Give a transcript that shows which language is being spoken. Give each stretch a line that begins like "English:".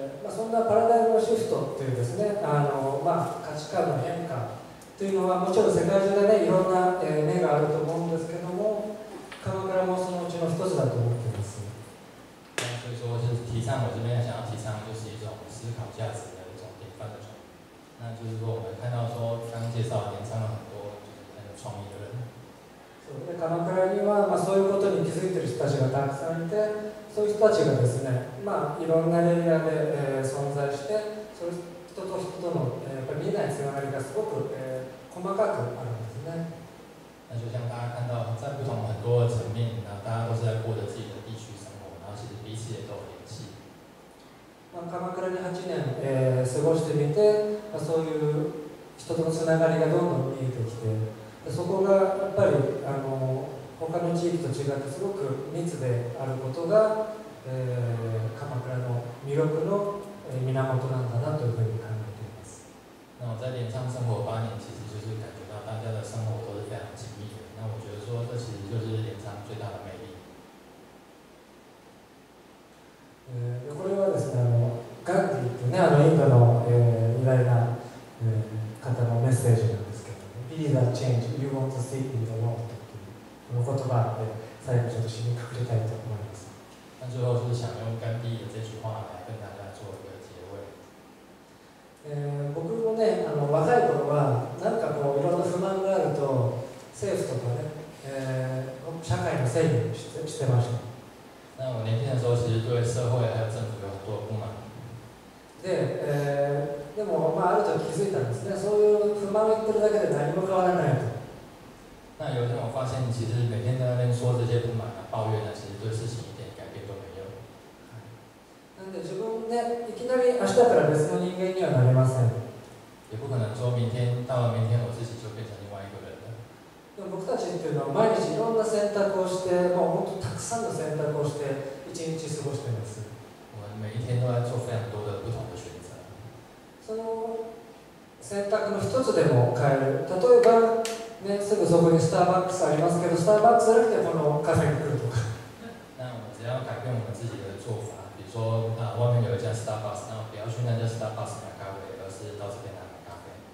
Japanese: そんなパラダイムのシフトというですね、まあ、価値観の変化というのはもちろん世界中でね、いろんな、目があると思うんですけども、鎌倉もそのうちの一つだと思っています。
Chinese: 所以说，就是提倡我这边想要提倡，就是一种思考价值的一种典范的创意。那就是说，我们看到说，刚介绍连上了很多就是很有创意的人。
Japanese: 所以，鎌倉にはまあそういうことに気づいてる人たちがたくさんいて、そういう人たちがですね、まあいろんなレベルで、存在して、そういう人と人との、やっぱり見えないつながりがすごく、細かくあるんですね。
Chinese: 那就像大家看到，在不同很多的层面，那大家都是在过着自己的地区生活。
Japanese: 鎌倉に8年、過ごしてみて、まあ、そういう人とのつながりがどんどん見えてきて、そこがやっぱり他の地域と違ってすごく密であることが、鎌倉の魅力の源なんだなというふうに考えています。
Chinese: 那我在连昌生活8年，其实就是感觉到大家的生活都是非常紧密的。那我觉得说，这其实就是连昌最大的魅力。
Japanese: これはですね、ガンディってね、インドの、偉大な、方のメッセージなんですけど、ね、
English: Be the change you want to see in the world
Japanese: っていうこの言葉で最後ちょっと締めくくりたいと思います。
Chinese: 那最后就是想用甘地的这句话来跟大家做一个结尾。
Japanese: 僕もね、若い頃はなんかこういろんな不満があると政府とかね、社会のせいにしてました。
Chinese: 那我年轻的时候，其实对社会还有政府有很多不满。
Japanese: で、でもまあある時気づいたんですね。そういう不満を言ってるだけで何も変わらないと。
Chinese: 那有一天我发现，其实每天在那边说这些不满啊、抱怨啊，其实对事情一点改变都没有。
Japanese: なんで自分ね、いきなり明日から別の人間にはなれません。
Chinese: 也不可能说明天到了明天，我自己就变成另外一个人。
Japanese: でも僕たちっていうのは毎日いろんな選択をして、もう本当たくさんの選択をして一日過ごしています。
Chinese: 我们每一天都在做非常多的不同的选择。
Japanese: その選択の一つでも変える。例えばね、すぐそこにスターバックスありますけど、スターバックスじゃなくてこのカフェに来るとか。
Chinese: 那我们只要改变我们自己的做法，比如说啊，外面有一家スターバックス，那不要去那家スターバックス买咖啡，而是到这边来买咖啡。